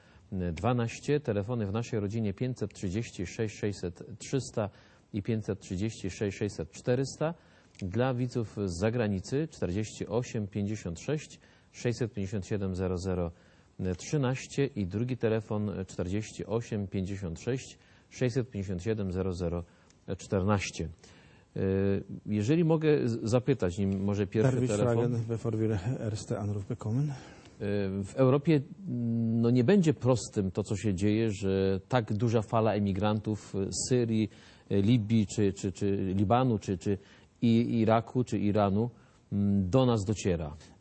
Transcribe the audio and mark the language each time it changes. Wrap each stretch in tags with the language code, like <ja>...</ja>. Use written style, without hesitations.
<pl>0012, telefony w naszej rodzinie 536 600 300 i 536 600 400, dla widzów z zagranicy 48 56 657 0013 i drugi telefon 48 56 657 0014. Jeżeli mogę zapytać, nim może pierwszy telefon.</pl> <de>Bevor wir erste Anruf bekommen.</de> <pl>W Europie no nie będzie prostym to, co się dzieje, że tak duża fala emigrantów z Syrii, Libii, czy Libanu, czy Iraku, czy Iranu do nas dociera.</pl>